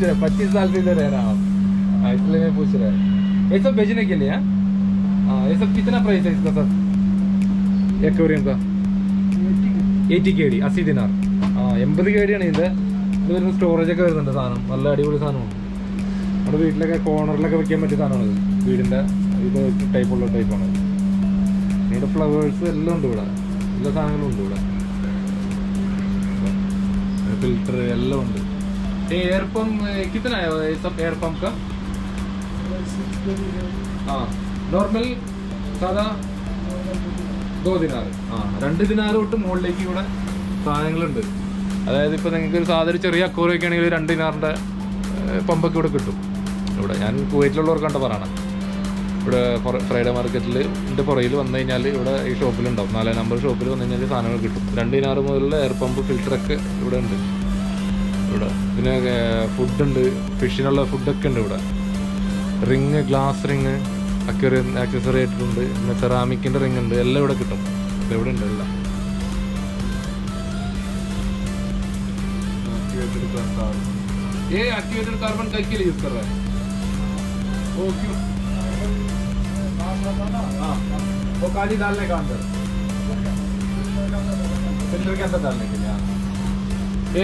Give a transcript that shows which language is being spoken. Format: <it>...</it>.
<hi>रहे 25 साल से इधर रह रहा हूँ इसलिए मैं पूछ रहा हूँ। ये सब भेजने के लिए ये सब कितना प्राइस है इसका सर? एक्वेरियम का 80 KD 80 दिनार 80 KD ആണ് ഇത്.</hi> <ml>ഇത് വരുന്ന സ്റ്റോറേജൊക്കെ വരുന്നുണ്ട് സാധനം. നല്ല അടിപൊളി സാധനമാണ്. നമ്മുടെ വീട്ടിലൊക്കെ കോർണറിലൊക്കെ വയ്ക്കാൻ പറ്റിയ സാധനമാണ്. വീടിൻ്റെ ഇത് ടൈപ്പുള്ള ടൈപ്പാണ്. വീട് ഫ്ലവേഴ്സ് എല്ലാം ഉണ്ട് ഇവിടെ. എല്ലാ സാധനങ്ങളും ഉണ്ട് ഇവിടെ. ഫിൽട്ടർ എല്ലാം ഉണ്ട്. എയർ പമ്പ് കിട്ടനായോ എയർ പമ്പ് കാ നോർമൽ സാധാ 2 ദിനാറ് 2 ദിനാറ് തൊട്ട് മുകളിലേക്ക് ഇവിടെ സാധനങ്ങളുണ്ട്. അതായത് ഇപ്പോൾ നിങ്ങൾക്ക് ഒരു സാധനം ചെറിയ അക്കൂറ് വയ്ക്കുകയാണെങ്കിൽ 2 ദിനാറിൻ്റെ പമ്പൊക്കെ ഇവിടെ കിട്ടും. ഇവിടെ ഞാൻ കുവൈറ്റിലുള്ളവർക്കാണ്ട് പറയണം. ഇവിടെ ഫ്രൈഡേ മാർക്കറ്റിൽ പുറയിൽ വന്നു കഴിഞ്ഞാൽ ഇവിടെ ഈ ഷോപ്പിലുണ്ടാവും. 4 നമ്പർ ഷോപ്പിൽ വന്നു കഴിഞ്ഞാൽ സാധനങ്ങൾ കിട്ടും. 2 ദിനാറ് മുതലുള്ള എയർ പമ്പ് ഫിൽറ്ററൊക്കെ ഇവിടെ ഉണ്ട്. ഇവിടെ പിന്നെ ഫുഡുണ്ട്. ഫിഷിനുള്ള ഫുഡൊക്കെ ഉണ്ട് ഇവിടെ. Ring glass ring Aquaria accessory ആയിട്ടുണ്ട്. പിന്നെ സെറാമിക്കിൻ്റെ റിങ് ഉണ്ട്. എല്ലാം ഇവിടെ കിട്ടും. ഇവിടെ ഉണ്ട് എല്ലാം.</ml> <hi>एक्टिवेटेड कार्बन कई के लिए यूज कर रहा है वो क्यों हाँ वो काली डालने का अंदर फिल्टर के अंदर डालने के लिए</hi>